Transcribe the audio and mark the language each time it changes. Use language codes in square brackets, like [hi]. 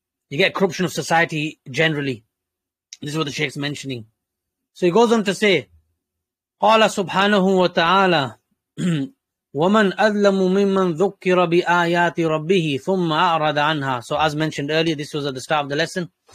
[en] You get corruption of society generally. This is what the Shaykh's mentioning. So he goes on to say, [ar] قَالَ سُبْحَانَهُ وَتَعَالَى وَمَنْ أَذْلَمُ مِمَّنْ ذُكِّرَ بِآيَاتِ رَبِّهِ ثُمَّ أَعْرَضَ عَنْهَا. [en] So as mentioned earlier, this was at the start of the lesson.